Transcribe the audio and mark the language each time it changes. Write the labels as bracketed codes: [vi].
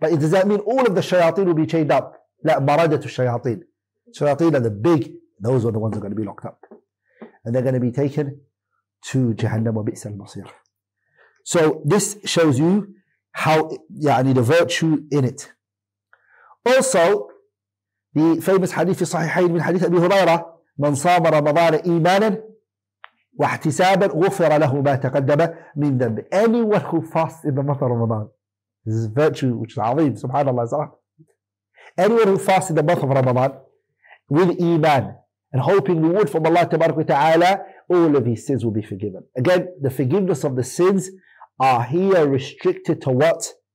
[en] But does that mean all of the shayateen will be chained up? [ar] لا مرادة الشياطين. [en] Shayateen are the big, those are the ones that are going to be locked up. And they're going to be taken to Jahannam [ar] وبئس المصير. [en] So this shows you how, يعني the virtue in it. Also, the famous hadith [ar] الصحيحين من حديث أبي هريرة من صام رمضان إيمانا واحتسابا غفر له ما تقدم من ذنب. [en] Anyone who fasts in the month of Ramadan, this is virtue which is عظيم. Subhanallah. Anyone who fasts in the month of Ramadan with iman and hoping reward from Allah Tabaraka wa Taala, all of his sins will be forgiven. Again, the forgiveness of the sins are here restricted to what?